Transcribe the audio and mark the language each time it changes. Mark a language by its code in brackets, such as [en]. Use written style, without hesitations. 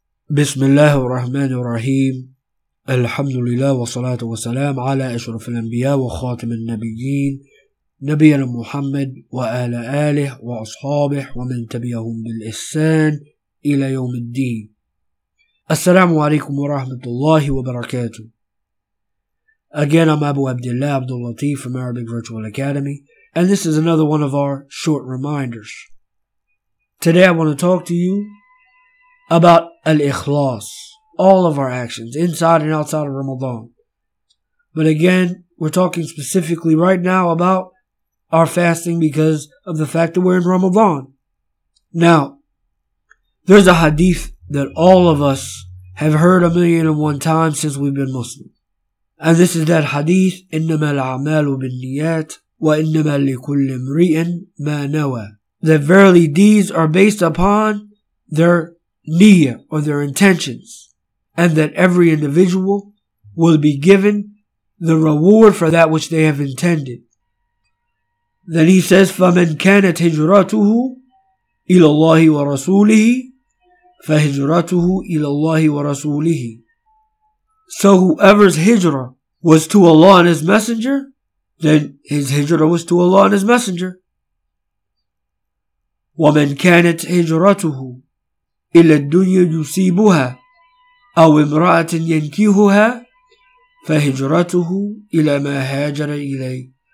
[ar] بسم الله الرحمن الرحيم، الحمد لله والصلاة والسلام على أشرف الأنبياء وخاتم النبيين نبينا محمد وآل آله وأصحابه ومن تبعهم بالإحسان إلى يوم الدين. السلام عليكم ورحمة الله وبركاته. [en] Again, I'm Abu Abdullah Abdul Latif from Arabic Virtual Academy, and this is another one of our short reminders. Today I want to talk to you about Al-Ikhlas, all of our actions, inside and outside of Ramadan. But again, we're talking specifically right now about our fasting because of the fact that we're in Ramadan. Now, there's a hadith that all of us have heard a million and one times since we've been Muslim. And this is that hadith, [ar] إِنَّمَا الْعَمَالُ بِالنِّيَاتِ وَإِنَّمَا لِكُلِّ امْرِئٍ مَا نَوَى. [en] That verily deeds are based upon their niyyah, or their intentions, and that every individual will be given the reward for that which they have intended. Then he says, [ar] فَمَنْ كَانَتْ هِجْرَتُهُ إِلَى اللَّهِ وَرَسُولِهِ فَهِجْرَتُهُ إِلَى اللَّهِ وَرَسُولِهِ. [en] So whoever's hijrah was to Allah and His Messenger, then his hijrah was to Allah and His Messenger. [ar] وَمَنْ كَانَتْ هِجْرَتُهُ إِلَى الدُّنْيَا يُسِيبُهَا أَوْ إِمْرَأَةٍ يَنْكِهُهَا فَهِجْرَتُهُ إِلَى مَا هَاجَرَ إِلَيْهِ.